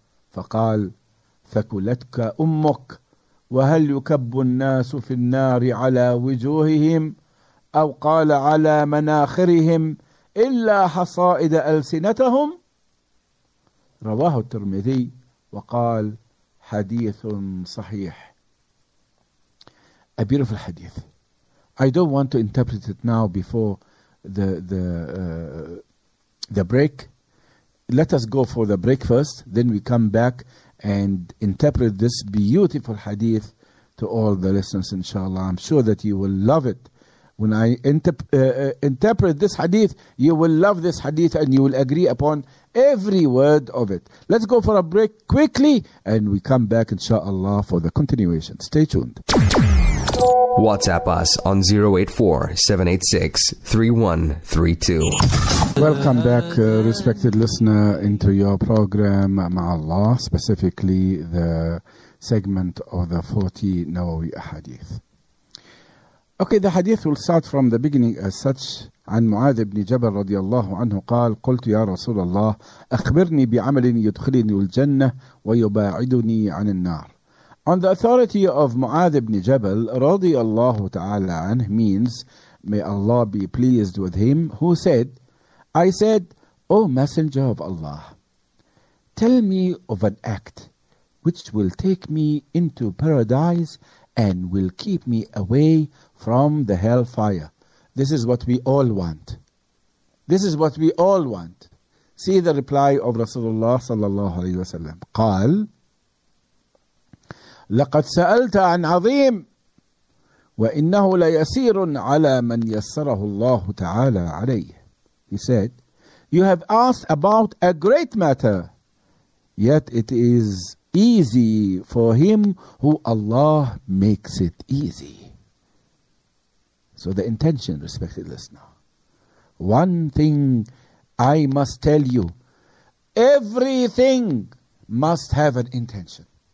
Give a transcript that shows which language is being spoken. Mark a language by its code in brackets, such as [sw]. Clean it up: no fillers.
[ar] فقال ثكلتك أمك وهل يكب الناس في النار على وجوههم أو قال على مناخرهم إلا حصائد ألسنتهم؟ رواه الترمذي وقال حديث صحيح. [en] A beautiful hadith. I don't want to interpret it now before the break. Let us go for the breakfast, then we come back and interpret this beautiful hadith to all the listeners, inshallah. I'm sure that you will love it. When I interpret this hadith, you will love this hadith and you will agree upon every word of it. Let's go for a break quickly and we come back, inshallah, for the continuation. Stay tuned. WhatsApp us on 084-786-3132. Welcome back, respected listener, into your program, Ma'Allah, specifically the segment of the 40 Nawawi Ahadith. Okay, the hadith will start from the beginning as such. [ar] عن معاذ بن جبل رضي الله عنه قال قلت يا رسول الله أخبرني بعمل يدخلني الجنة ويباعدني عن النار. [en] On the authority of Mu'adh ibn Jabal, [ar] radiallahu ta'ala anhu, [en] means, may Allah be pleased with him, who said, I said, O Messenger of Allah, tell me of an act which will take me into paradise and will keep me away from the hellfire. This is what we all want. This is what we all want. See the reply of Rasulullah [ar] sallallahu alayhi wa sallam. قال, لقد سألت عن عظيم وإنه ليسير على من يسره الله تعالى عليه. [en] He said, you have asked about a great matter, yet it is easy for him who Allah makes it easy. So the intention, respected listener, one thing I must tell you, everything must have an intention.